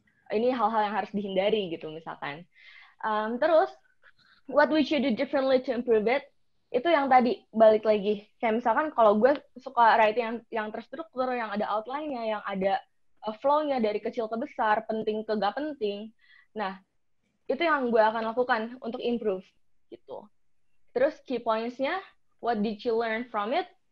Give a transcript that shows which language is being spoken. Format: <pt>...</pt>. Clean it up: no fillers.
<id>Ini hal-hal yang harus dihindari, gitu misalkan.</id> <en>Terus, what we should do differently to improve it?</en> <id>Itu yang tadi, balik lagi. Kayak misalkan kalau gue suka writing yang terstruktur, yang ada outline-nya, yang ada flow-nya dari kecil ke besar, penting ke gak penting. Nah, itu yang gue akan lakukan untuk improve. Gitu.</id> <en>Terus key points-nya, what did you learn from it?</en>